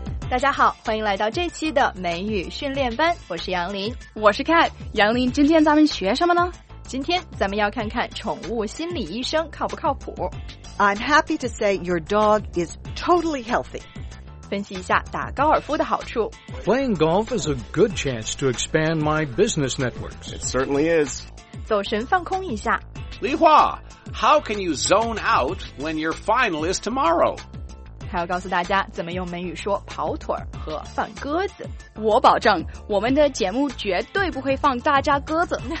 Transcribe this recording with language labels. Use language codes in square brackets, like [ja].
[zh] 大家好，欢迎来到这期的美语训练班，我是杨林。我是 Cat。杨林，今天咱们学什么呢？今天咱们要看看宠物心理医生靠不靠谱。 [en] I'm happy to say your dog is totally healthy. [zh] 分析一下打高尔夫的好处。 [en] Playing golf is a good chance to expand my business networks. It certainly is. [zh] 走神放空一下。李华， [en] How can you zone out when your final is tomorrow? [zh] 还要告诉大家怎么用美语说跑腿和放鸽子。我保证我们的节目绝对不会放大家鸽子。